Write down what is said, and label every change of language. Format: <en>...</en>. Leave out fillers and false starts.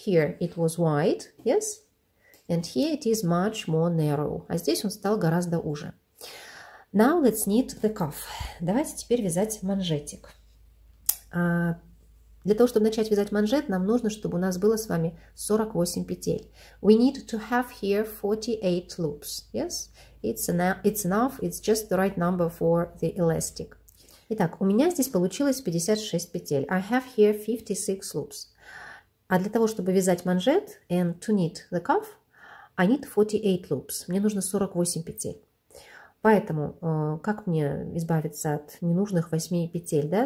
<en>Here it was wide, yes? And here it is much more narrow.</en> <ru>А здесь он стал гораздо уже.</ru> <en>Now let's knit the cuff.</en> <ru>Давайте теперь вязать манжетик. Для того, чтобы начать вязать манжет, нам нужно, чтобы у нас было с вами 48 петель.</ru> <en>We need to have here 48 loops. Yes? It's enough. It's just the right number for the elastic.</en> <ru>Итак, у меня здесь получилось 56 петель.</ru> <en>I have here 56 loops.</en> <ru>А для того, чтобы вязать манжет</ru> <en>and to knit the cuff, I need 48 loops.</en> <ru>Мне нужно 48 петель. Поэтому, как мне избавиться от ненужных 8 петель, да?</ru>